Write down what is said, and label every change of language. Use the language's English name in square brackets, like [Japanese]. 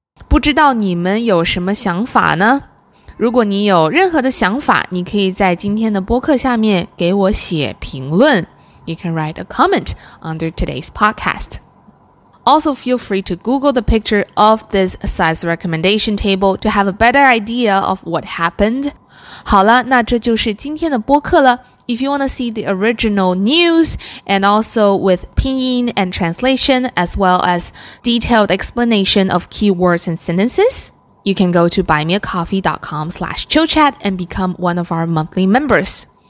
[Chinese] 不知道你们有什么想法呢？如果你有任何的想法，你可以在今天的播客下面给我写评论。 [English] You can write a comment under today's podcast. Also, feel free to Google the picture of this size recommendation table to have a better idea of what happened. [Chinese] 好了，那这就是今天的播客了。 [English] If you want to see the original news and also with pinyin and translation as well as detailed explanation of keywords and sentences,You can go to buymeacoffee.com/chillchat and become one of our monthly members.